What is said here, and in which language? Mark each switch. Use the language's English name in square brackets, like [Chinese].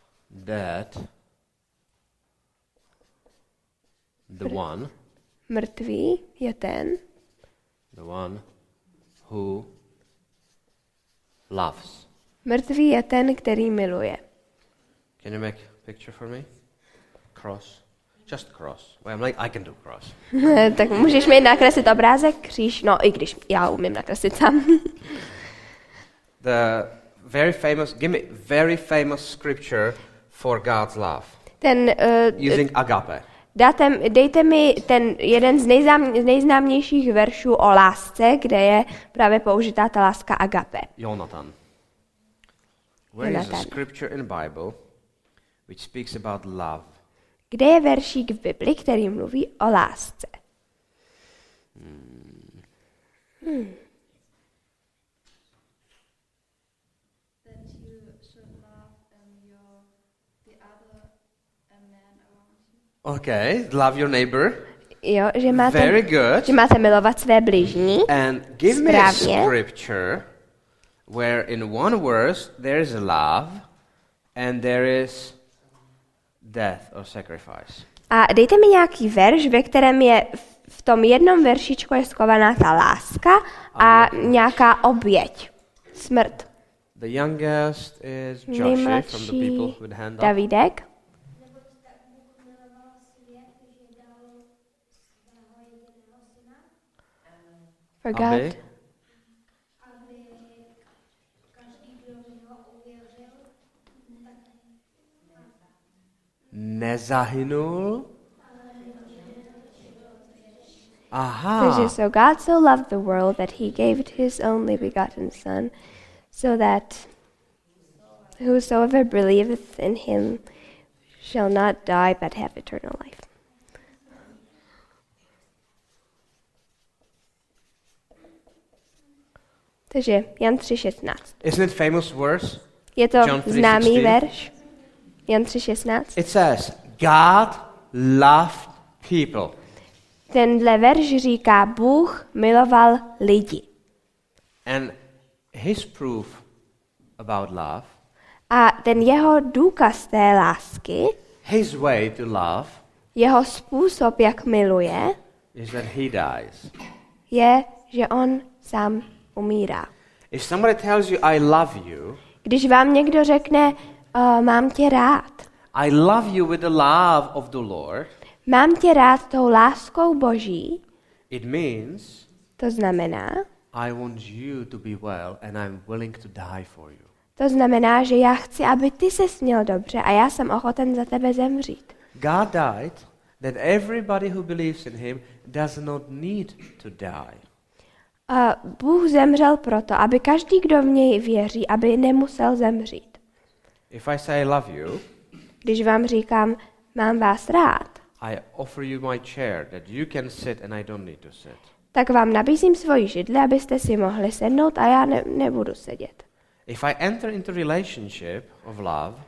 [English] Dead. the one. [Czech] Mrtvý je ten. [English] The one who loves. [Czech] Mrtvý je ten, který miluje. [English] Can you make a picture for me? Cross. Just cross. Well, I'm like, I can do cross. [Czech] Tak můžeš mi nakreslit obrázek kříž? No, i když já umím nakreslit sám. [English] The very famous, give me very famous scripture for God's love. [Czech] Ten, [English] using agape. [Czech] Dejte mi ten jeden z nejznámějších veršů o lásce, kde je právě použitá ta láska agape. [English] Jonathan. Where Jonathan. Is the scripture in Bible which speaks about love? [Czech] Kde je veršík v Bibli, který mluví o lásce? [English] Okay, love your neighbor. [Czech] Jo, že máte, [English] very good. [Czech] Že máte milovat své bližní. [English] And give [Czech] správně. [English] Me a scripture where in one verse there is love and there is death or sacrifice. [Czech] A dejte mi nějaký verš, ve kterém je v tom jednom veršičku je schovaná ta láska a nějaká oběť, smrt. [English] The youngest is Joshua from the people with the hand [Czech] Davidek. [English] Up. For God. [Czech] Nezahynul. Aha. [English] So God so loved the world that he gave his only begotten son so that whosoever believeth in him shall not die but have eternal life. [Czech] Takže Jan 3:16. [English] Isn't it famous verse? [Czech] Je to známý verš. Jan 3:16. [English] It says God loved people. [Czech] Tenhle verš říká Bůh miloval lidi. [English] And his proof about love. [Czech] A ten jeho důkaz té lásky. [English] His way to love. [Czech] Jeho způsob jak miluje. [English] Is that he dies. [Czech] Je, že on sám umírá. [English] If somebody tells you I love you. [Czech] Když vám někdo řekne mám tě rád. [English] I love you with the love of the Lord. [Czech] Mám tě rád tou láskou Boží. [English] It means. [Czech] To znamená. [English] I want you to be well and I'm willing to die for you. [Czech] To znamená, že já chci, aby ty se měl dobře a já jsem ochoten za tebe zemřít. [English] God died that everybody who believes in him does not need to die. [Czech] Bůh zemřel proto, aby každý, kdo v něj věří, aby nemusel zemřít. [English] If I say I love you, [Czech] když vám říkám, mám vás rád, [English] I offer you my chair that you can sit and I don't need to sit. [Czech] Tak vám nabízím svoji židli, abyste si mohli sednout a já nebudu sedět. [English] If I enter into relationship of love,